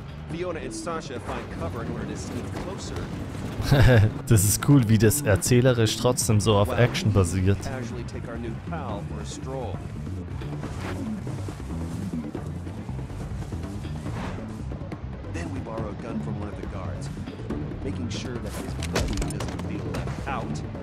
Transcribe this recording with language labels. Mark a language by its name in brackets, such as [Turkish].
[English] Fiona and Sasha find cover in order to sneak closer. [German] Das ist cool, wie das erzählerisch trotzdem so auf Action basiert. [English] Then we borrow a gun from one of the guards, making sure that his buddy doesn't feel left out.